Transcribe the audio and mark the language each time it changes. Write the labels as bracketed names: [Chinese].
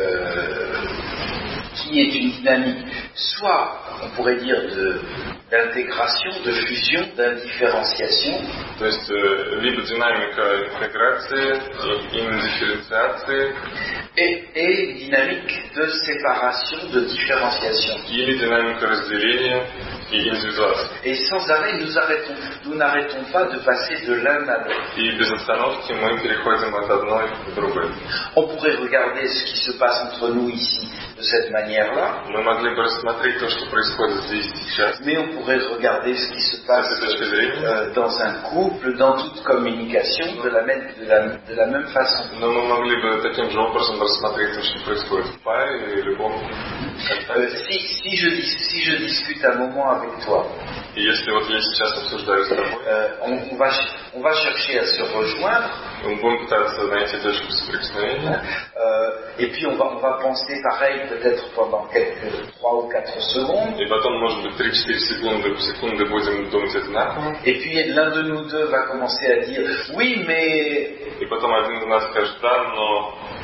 [French] Il y a toujours une dynamique, soit on pourrait dire d'intégration, de fusion, d'indifférenciation. [Russian] То есть либо динамика интеграции, индифференциации. [French] Et dynamique de séparation, de différenciation. [Russian] Или динамика разделения и индивидуации. [French] Et sans arrêt, nous n'arrêtons pas de passer de l'un à l'autre. [Russian] И без остановки мы переходим от одной к другой. [French] On pourrait regarder ce qui se passe entre nous ici. de cette manière-là. [Russian] Мы могли бы рассмотреть то, что происходит здесь сейчас. [French] Mais on pourrait regarder ce qui se passe dans un couple, dans toute communication, de la même façon. [Russian] Но мы могли бы таким же образом рассмотреть то, что происходит в паре или в любом. [French] Si je discute un moment avec toi. [Russian] И если вот я сейчас обсуждаю с тобой. [French] On va chercher à se rejoindre. [Russian] Мы будем пытаться найти точку соприкосновения. [French] Et puis on va penser pareil peut-être pendant quelques 3 ou 4 secondes. Et [Russian] потом, может быть, 3-4 секунды будем думать одинаково. [French] Et puis l'un de nous deux va commencer à dire oui, mais. Et [Russian] потом один из нас скажет да, но.